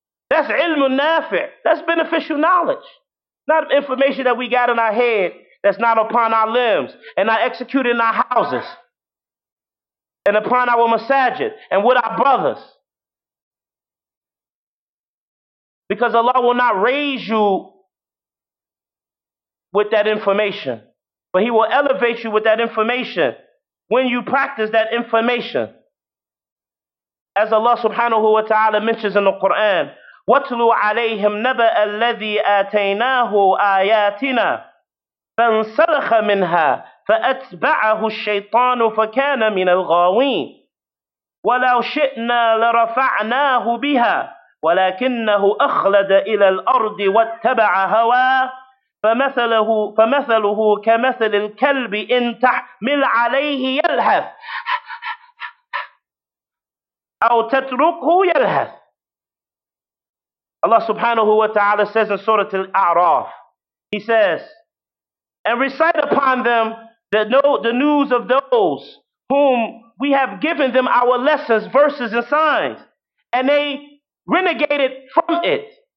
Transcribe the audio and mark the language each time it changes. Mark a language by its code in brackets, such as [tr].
[en] That's ilmu nafi'. That's beneficial knowledge. Not information that we got in our head that's not upon our limbs and not executed in our houses and upon our masajid and with our brothers. Because Allah will not raise you with that information, but he will elevate you with that information when you practice that information. As Allah subhanahu wa ta'ala mentions in the Quran, [ar] وَاتْلُوا عَلَيْهِمْ نَبَأَ الَّذِي آتَيْنَاهُ آيَاتِنَا فَانْسَلَخَ مِنْهَا فَأَتْبَعَهُ الشَّيْطَانُ فَكَانَ مِنَ الْغَاوِينَ وَلَوْ شِئْنَا لَرَفَعْنَاهُ بِهَا ولكنه أخلد إلى الأرض واتبع هواه فمثله كمثل الكلب إن تحمل عليه يلهث أو تتركه يلهث. [en] Allah subhanahu wa ta'ala says in Surah Al-A'raf, he says, and recite upon them the news of those whom we have given them our lessons, verses, and signs, and they renegated from it.